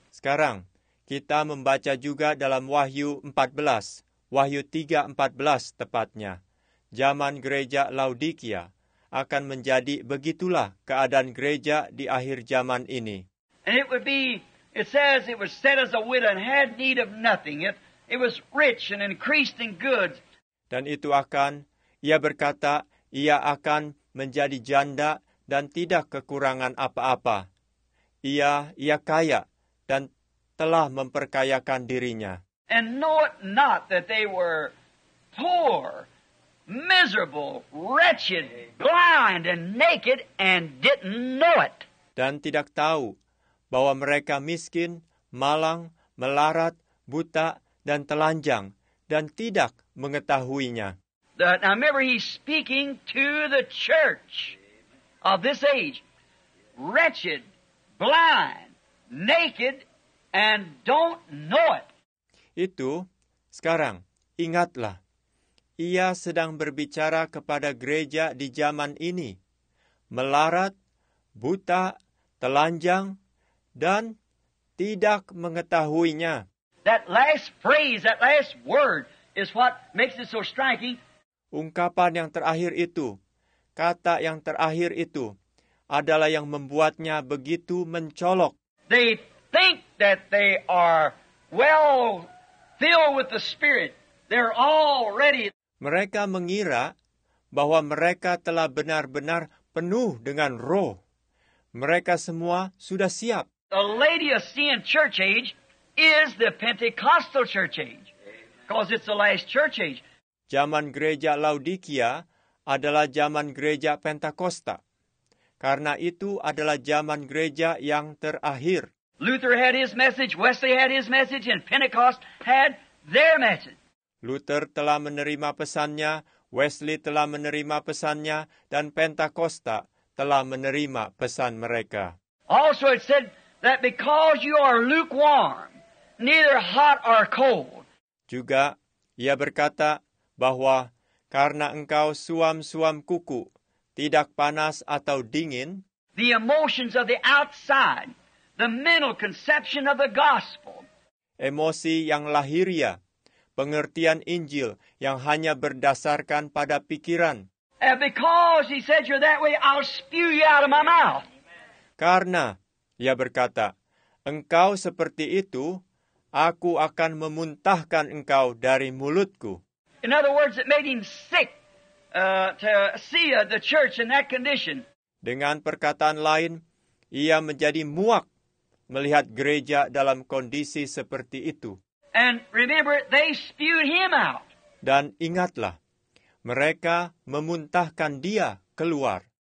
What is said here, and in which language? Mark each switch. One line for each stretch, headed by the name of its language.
Indonesian: Sekarang, kita membaca juga dalam Wahyu 3:14 tepatnya, zaman gereja Laodikia akan menjadi begitulah keadaan gereja di akhir zaman ini.
English: And it says it was set as a widow and had need of nothing. It was rich and increased in goods.
Indonesian: Dan itu akan, ia berkata, ia akan menjadi janda dan tidak kekurangan apa-apa. Ia kaya dan telah memperkayakan dirinya.
English: And know it not that they were poor, miserable, wretched, blind, and naked, and didn't know it.
Indonesian: Dan tidak tahu bahwa mereka miskin, malang, melarat, buta, dan telanjang, dan tidak mengetahuinya.
English: Now remember, he's speaking to the church of this age. Wretched, blind, naked, and don't know it.
Indonesian: Itu, sekarang, ingatlah. Ia sedang berbicara kepada gereja di zaman ini. Melarat, buta, telanjang, dan tidak mengetahuinya.
English: That last phrase, that last word, is what makes it so striking.
Indonesian: Ungkapan yang terakhir itu, kata yang terakhir itu, adalah yang membuatnya begitu mencolok.
English: They think that they are well filled with the Spirit. They're already.
Indonesian: Mereka mengira bahwa mereka telah benar-benar penuh dengan Roh. Mereka semua sudah siap.
English: The Laodicean church age is the Pentecostal church age, because it's the last church age.
Indonesian: Zaman gereja Laodikia adalah zaman gereja Pentakosta, karena itu adalah zaman gereja yang terakhir.
English: Luther had his message, Wesley had his message, and Pentecost had their message.
Indonesian: Luther telah menerima pesannya, Wesley telah menerima pesannya, dan Pentakosta telah menerima pesan mereka.
English: Also it said that because you are lukewarm, neither hot or cold.
Indonesian: Juga ia berkata bahwa karena engkau suam-suam kuku, tidak panas atau dingin.
English: The emotions of the outside, the mental conception of the gospel.
Indonesian: Emosi yang lahiriah, pengertian Injil yang hanya berdasarkan pada pikiran.
English: And because he said you're that way, I'll spew you out of my mouth.
Indonesian: Karena, ia berkata, engkau seperti itu, aku akan memuntahkan engkau dari mulutku.
English: In other words, it made him sick to see the church in that condition.
Indonesian: Dengan perkataan lain, ia menjadi muak melihat gereja dalam kondisi seperti itu.
English: And remember, they spewed him out.
Indonesian: Dan ingatlah, mereka memuntahkan dia keluar.